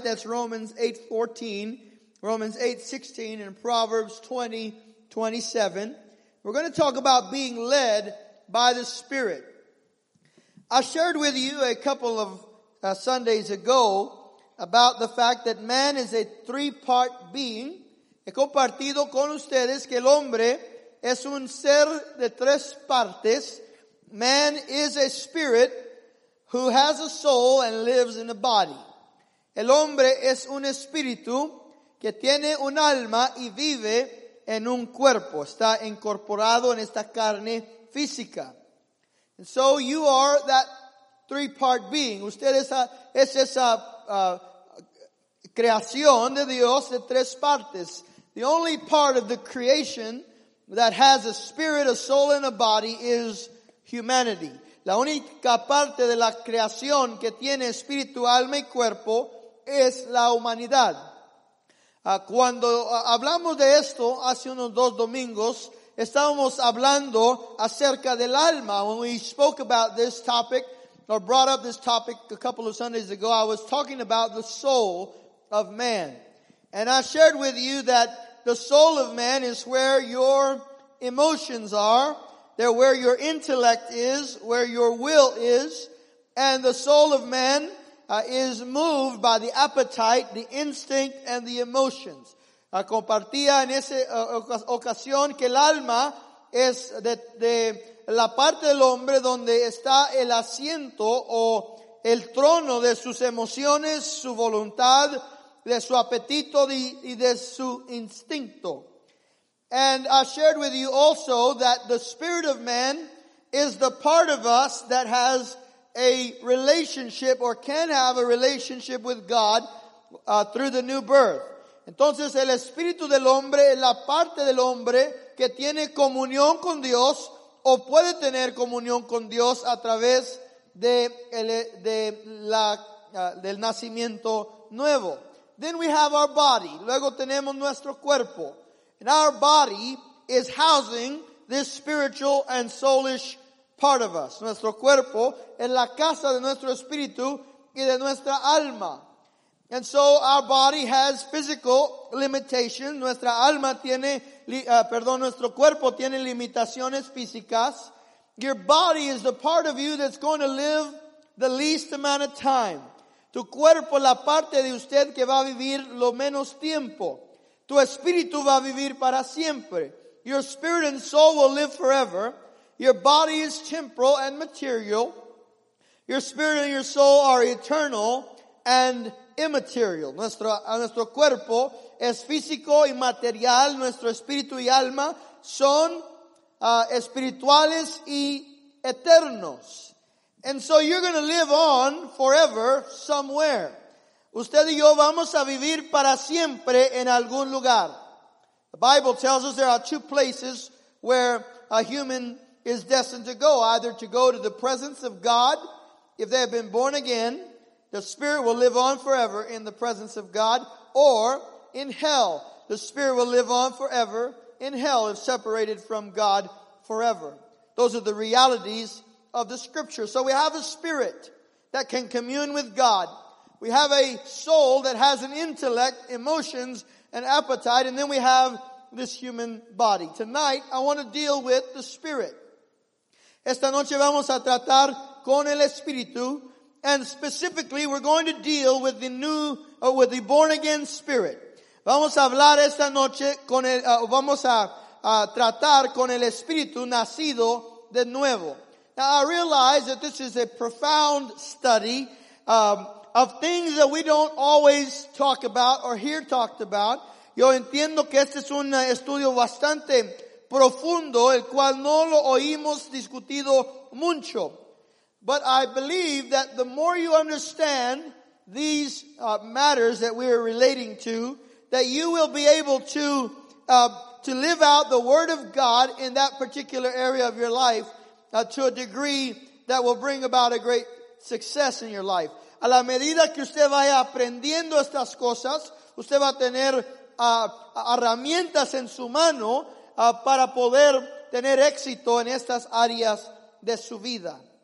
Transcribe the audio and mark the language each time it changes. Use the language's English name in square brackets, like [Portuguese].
[English] That's Romans 8:14, Romans 8:16, and Proverbs 20:27. We're going to talk about being led by the Spirit. I shared with you a couple of Sundays ago about the fact that man is a three-part being. [Spanish] He compartido con ustedes que el hombre es un ser de tres partes. [English] Man is a spirit who has a soul and lives in a body. [Spanish] El hombre es un espíritu que tiene un alma y vive en un cuerpo. Está incorporado en esta carne física. [English] And so you are that three-part being. [Spanish] Usted es esa creación de Dios de tres partes. [English] The only part of the creation that has a spirit, a soul, and a body is humanity. [Spanish] La única parte de la creación que tiene espíritu, alma y cuerpo es la humanidad. Cuando hablamos de esto hace unos dos domingos, estábamos hablando acerca del alma. [English] When we spoke about this topic, or brought up this topic a couple of Sundays ago, I was talking about the soul of man. And I shared with you that the soul of man is where your emotions are. They're where your intellect is, where your will is, and the soul of man is moved by the appetite, the instinct, and the emotions. [Spanish] Compartía en esa ocasión que el alma es de la parte del hombre donde está el asiento o el trono de sus emociones, su voluntad, de su apetito y de su instinto. [English] And I shared with you also that the spirit of man is the part of us that has a relationship or can have a relationship with God through the new birth. [Spanish] Entonces el espíritu del hombre es la parte del hombre que tiene comunión con Dios o puede tener comunión con Dios a través del nacimiento nuevo. [English] Then we have our body. [Spanish] Luego tenemos nuestro cuerpo. [English] And our body is housing this spiritual and soulish part of us. [Spanish] Nuestro cuerpo es la casa de nuestro espíritu y de nuestra alma. [English] And so our body has physical limitations. [Spanish] Nuestra alma tiene, nuestro cuerpo tiene limitaciones físicas. [English] Your body is the part of you that's going to live the least amount of time. [Spanish] Tu cuerpo, la parte de usted que va a vivir lo menos tiempo. Tu espíritu va a vivir para siempre. [English] Your spirit and soul will live forever. Your body is temporal and material. Your spirit and your soul are eternal and immaterial. [Spanish] Nuestro cuerpo es físico y material. Nuestro espíritu y alma son espirituales y eternos. [English] And so you're going to live on forever somewhere. [Spanish] Usted y yo vamos a vivir para siempre en algún lugar. [English] The Bible tells us there are two places where a human is destined to go. Either to go to the presence of God, if they have been born again, the spirit will live on forever in the presence of God. Or in hell, the spirit will live on forever in hell if separated from God forever. Those are the realities of the scripture. So we have a spirit that can commune with God. We have a soul that has an intellect, emotions, and appetite, and then we have this human body. Tonight, I want to deal with the spirit. [Spanish] Esta noche vamos a tratar con el espíritu, [English] and specifically, we're going to deal with the new, or with the born-again spirit. [Spanish] Vamos a hablar esta noche con el, vamos a tratar con el espíritu nacido de nuevo. [English] Now, I realize that this is a profound study, of things that we don't always talk about or hear talked about. [Spanish] Yo entiendo que este es un estudio bastante profundo, el cual no lo oímos discutido mucho. [English] But I believe that the more you understand these matters that we are relating to, that you will be able to live out the word of God in that particular area of your life to a degree that will bring about a great success in your life. [Spanish] A la medida que usted vaya aprendiendo estas cosas, usted va a tener herramientas en su mano para poder tener éxito en estas áreas de su vida.